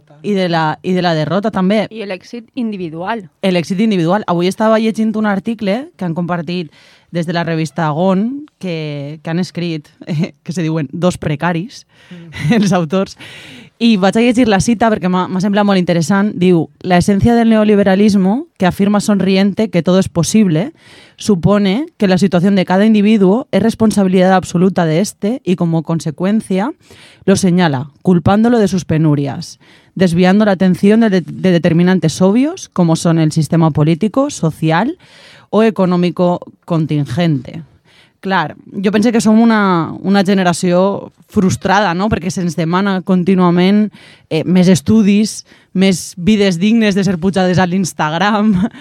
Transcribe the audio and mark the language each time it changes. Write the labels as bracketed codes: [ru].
[ca] de la derrota també. I l'èxit individual. L'èxit individual. Avui estava llegint un article que han compartit des de la revista GON, que han escrit, que se diuen dos precaris, els autors. I vaig a llegir la cita perquè m'ha semblat molt interessant. [es] Diu, la esencia del neoliberalismo, que afirma sonriente que todo es posible, supone que la situación de cada individuo es responsabilidad absoluta de este y como consecuencia lo señala, culpándolo de sus penurias, desviando la atención de determinantes obvios como son el sistema político, social o económico contingente. [ca] Clar, jo penso que som una generació frustrada, no? Perquè se'ns demana contínuament més estudis, més vides dignes de ser pujades a l'Instagram.